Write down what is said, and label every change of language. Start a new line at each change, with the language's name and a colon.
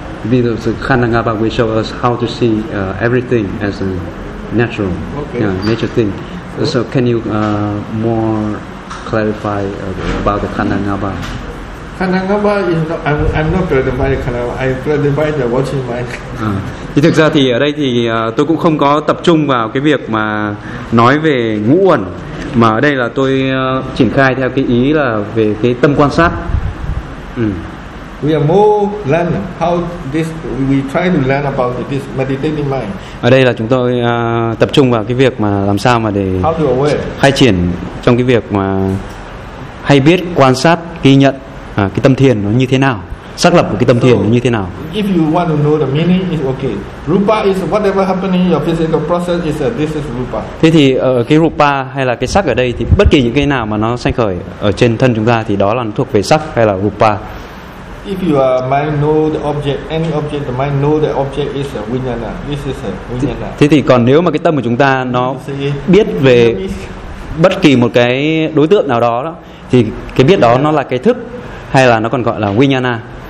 English: Because the Khandangaba will show us how to see everything as a natural, nature thing. So can you more clarify about the Khandangaba? Khandangaba is I'm not clarifying Khandangaba, I'm clarifying the watching mind.
Vietnamese: Thì thực ra thì ở đây thì tôi cũng không có tập trung vào cái việc mà nói về ngũ uẩn, mà ở đây là tôi triển khai theo cái ý là về cái tâm quan sát.
English: We are more learn how this, we try to learn about this meditating mind.
Vietnamese: Ở đây là chúng tôi tập trung vào cái việc mà làm sao mà để
English: how to aware,
Vietnamese: khai triển trong cái việc mà hay biết quan sát ghi nhận cái tâm thiền nó như thế nào. xác lập một cái tâm thiền như thế nào.
English: If you want to know the meaning, it's okay. Rupa is whatever happening in your physical process is a, this is rupa.
Vietnamese: Thế thì cái rupa hay là cái sắc ở đây thì bất kỳ những cái nào mà nó sanh khởi ở trên thân chúng ta thì đó là nó thuộc về sắc hay là rupa.
English: If you mind know the object, any object, the mind know the object is a vinyana. This is a vinyana.
Vietnamese: Thế thì còn nếu mà cái tâm của chúng ta nó biết về bất kỳ một cái đối tượng nào đó thì cái biết đó nó là cái thức hay là nó còn gọi là vinyana.